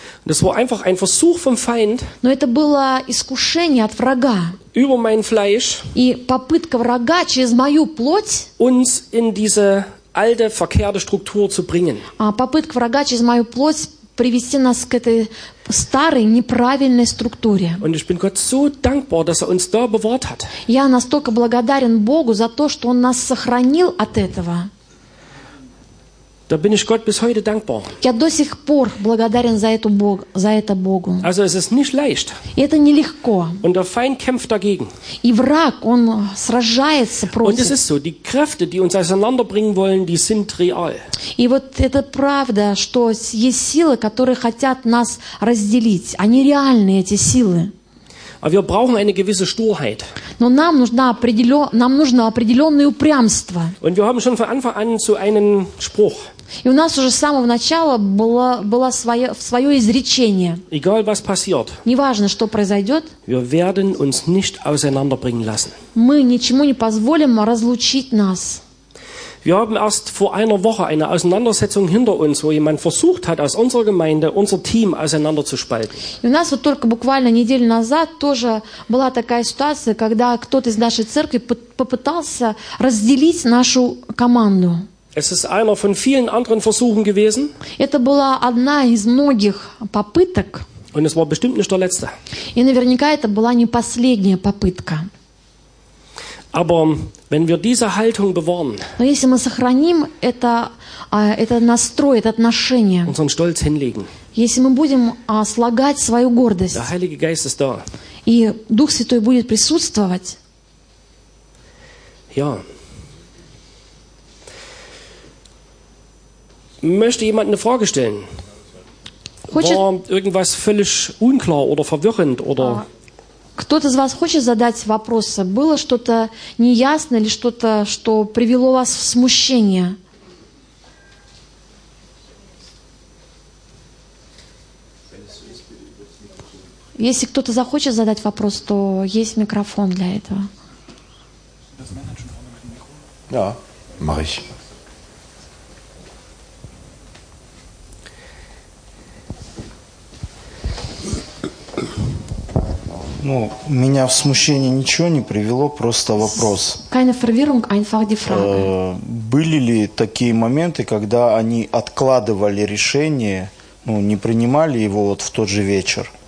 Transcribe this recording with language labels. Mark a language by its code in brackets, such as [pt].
[de] Das war einfach ein Versuch vom Feind. [ru] Но это было искушение от врага. [de] Über mein Fleisch. [ru] И попытка врага через мою плоть. [de] Uns in diese alte verkehrte Struktur zu bringen. [ru] Попытка врага через мою плоть привести нас к этой старой неправильной структуре. [de] Und ich bin Gott so dankbar, dass uns da bewahrt hat. [ru] Я настолько благодарен Богу за то, что Он нас сохранил от этого. [de] Da bin ich Gott bis heute dankbar. [ru] Я до сих пор благодарен за эту Бог, за это Богу. [de] Also es ist nicht leicht. [ru] И это нелегко. [de] Und der Feind kämpft dagegen. [ru] И враг, он сражается против. [de] Und es ist so, die Kräfte, die uns auseinanderbringen wollen, die sind real. [ru] И вот это правда, что есть силы, которые хотят нас разделить. Они реальны, эти силы. [de] Aber wir brauchen eine gewisse Sturheit. [ru] Но нам нужно определенное упрямство. [de] Und wir haben schon von Anfang an so einen Spruch. [ru] И у нас уже с самого начала было свое изречение. [de] Egal was passiert. [ru] Неважно, что произойдет. [de] Wir werden uns nicht auseinanderbringen lassen. [ru] Мы ничему не позволим разлучить нас. [de] Wir haben erst vor einer Woche eine Auseinandersetzung hinter uns, wo jemand versucht hat, aus unserer Gemeinde unser Team auseinanderzuspalten. [ru] И у нас вот только буквально неделю назад тоже была такая ситуация, когда кто-то из нашей церкви попытался разделить нашу команду. [de] Es ist einer von vielen anderen Versuchen gewesen. [ru] Это была одна из многих попыток. [de] Und es war bestimmt nicht der letzte. [ru] И наверняка это была не последняя попытка. [de] Aber wenn wir diese Haltung bewahren, [ru] но если мы сохраним этот настрой, это отношение, [de] unseren Stolz hinlegen, [ru] если мы будем слагать свою гордость, [de] der Heilige Geist ist da, [ru] и Дух Святой будет присутствовать, [de] ja. Möchte jemand eine Frage stellen? War irgendwas völlig unklar oder verwirrend oder? [ru] Кто-то из вас хочет задать вопросы? Было что-то неясно или что-то, что привело вас в смущение? Если кто-то захочет задать вопрос, то есть микрофон для этого. Да, [de] mach ich. [ru] Ну, меня в смущение ничего не привело, просто вопрос. [de] Keine Verwirrung, einfach die Frage. [ru] Были ли такие моменты, когда они откладывали решение, ну, не принимали его вот в тот же вечер?